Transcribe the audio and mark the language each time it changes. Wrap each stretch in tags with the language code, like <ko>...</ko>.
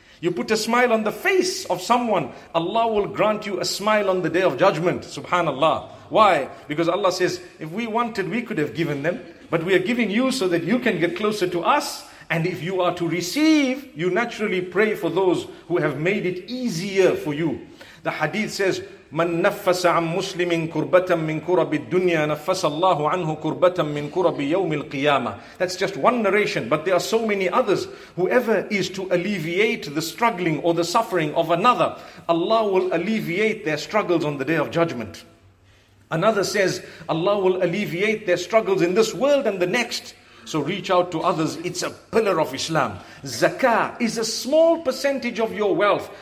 <en>You put a smile on the face of someone, Allah will grant you a smile on the day of judgment. Subhanallah. Why? Because Allah says, if we wanted, we could have given them. But we are giving you so that you can get closer to us. And if you are to receive, you naturally pray for those who have made it easier for you.</en> <ar>The hadith says, مَنْ نَفَّسَ عَمْ مُسْلِمٍ كُرْبَةً مِنْ كُرَبِ الدُّنْيَا نَفَّسَ اللَّهُ عَنْهُ كُرْبَةً مِنْ كُرَبِ يَوْمِ الْقِيَامَةِ.</ar> <en>That's just one narration, but there are so many others. Whoever is to alleviate the struggling or the suffering of another, Allah will alleviate their struggles on the day of judgment. Another says, Allah will alleviate their struggles in this world and the next. So reach out to others. It's a pillar of Islam. Zakah is a small percentage of your wealth.</en>